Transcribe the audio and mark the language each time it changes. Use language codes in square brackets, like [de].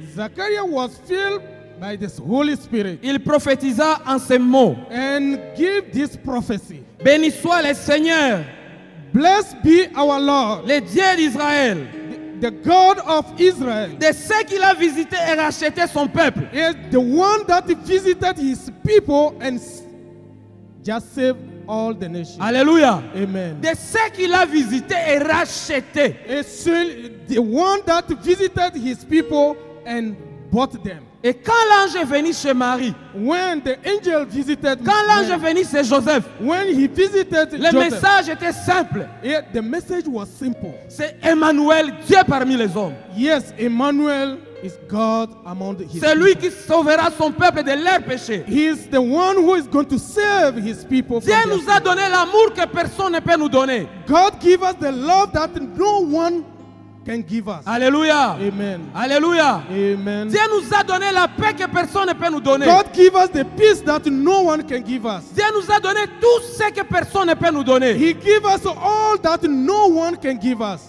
[en] Zacharias was filled by this Holy Spirit. [fr] Il prophétisa en ces mots. [en] And give this prophecy. [fr] Béni soit le Seigneur. [en] Blessed be our Lord. [fr] Le Dieu d'Israël. [en] The God of Israel. [fr] De ceux qu'il a visité et racheté son peuple. [en] Is the one that visited his people and just saved all the nations. Alléluia. Amen. [fr] De ceux qu'il a visité et racheté. [en] Is the one that visited his people and bought them. [fr] Et quand l'ange est venu chez Marie, [en] when the angel visited [fr] quand l'ange est venu chez Joseph, [en] when he visited [fr] le [en] Joseph, [fr] message était simple. [en] Yeah, the message was simple. [fr] C'est Emmanuel, Dieu parmi les hommes. [en] Yes, Emmanuel is God among his [fr] C'est [en] people. [fr] Lui qui sauvera son peuple de leurs péchés. [en] He is the one who is going to save his people. [fr] Dieu nous a donné l'amour que personne ne peut nous donner. [en] God give us the love that no one can give us. Alléluia. Amen. Alléluia. Amen. [fr] Dieu nous a donné la paix que personne ne peut nous donner. [en] God give us the peace that no one can give us. [fr] Dieu nous a donné tout ce que personne ne peut nous donner. [en] He give us all that no one can give us.